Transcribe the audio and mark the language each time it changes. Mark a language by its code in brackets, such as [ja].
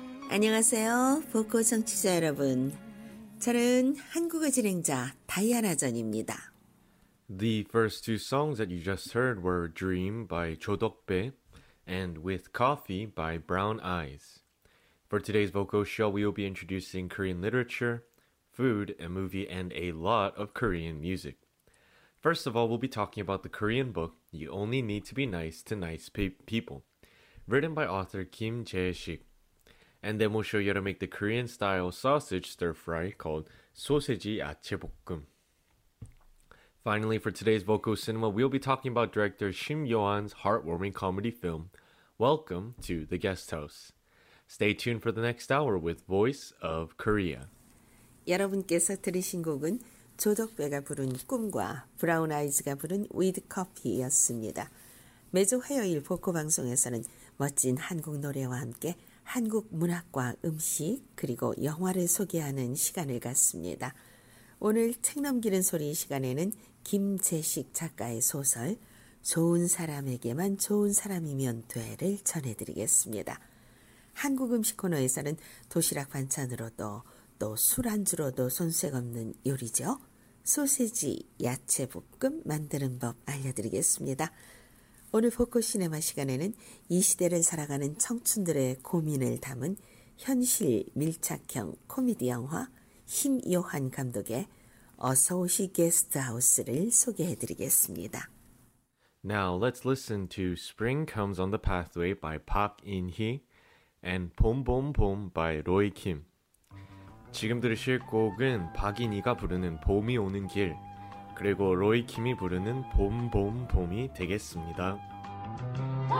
[ko] 안녕하세요, 보코 청취자 여러분. 저는 한국어 진행자 다이아나 전입니다. [en] The first two songs that you just heard were Dream by Cho Dok-bae and With Coffee by Brown Eyes. For today's vocal show, we will be introducing Korean literature, food, a movie, and a lot of Korean music. First of all, we'll be talking about the Korean book, You Only Need to Be Nice to Nice People, written by author Kim Jae-sik. And then we'll show you how to make the Korean-style sausage stir-fry called 소세지 아채볶음. Finally, for today's Voco Cinema, we'll be talking about director Shim Yo-han's heartwarming comedy film, Welcome to the Guest House. Stay tuned for the next hour with Voice of Korea. [ko] 여러분께서 들으신 곡은 조덕배가 부른 꿈과 브라운 아이즈가 부른 위드 커피였습니다. 매주 화요일 보코 방송에서는 멋진 한국 노래와 함께 한국 문학과 음식 그리고 영화를 소개하는 시간을 갖습니다. 오늘 책 넘기는 소리 시간에는 김재식 작가의 소설 좋은 사람에게만 좋은 사람이면 돼를 전해드리겠습니다. 한국 음식 코너에서는 도시락 반찬으로도 또 술안주로도 손색 없는 요리죠. 소시지, 야채 볶음 만드는 법 알려드리겠습니다. 오늘 포커 시네마 시간에는 이 시대를 살아가는 청춘들의 고민을 담은 현실 밀착형 코미디 영화 심요한 감독의 어서오시 게스트하우스를 소개해드리겠습니다. [en] Now let's listen to Spring Comes on the Pathway by Park In-hee and Boom Boom Boom by Roy Kim. [ko] 지금 들으실 곡은 박인희가 부르는 봄이 오는 길, 그리고 로이 킴이 부르는 봄, 봄, 봄이 되겠습니다.